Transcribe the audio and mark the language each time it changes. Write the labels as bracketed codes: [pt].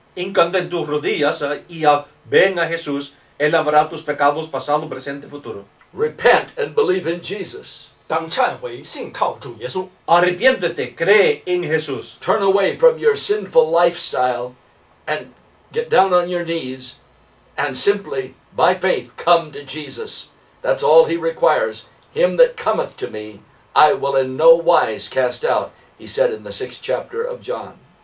[es] Hincate en tus rodillas y ven a Jesús, Él lavará tus pecados pasado, presente y futuro. [en] Repent and believe in Jesus. [zh] 当忏悔，信靠主耶稣。 [es] Arrepiéntete, cree en Jesús. [en] Turn away from your sinful lifestyle and get down on your knees and simply, by faith, come to Jesus. That's all He requires. Him that cometh to me, I will in no wise cast out, He said in the 6th chapter of John.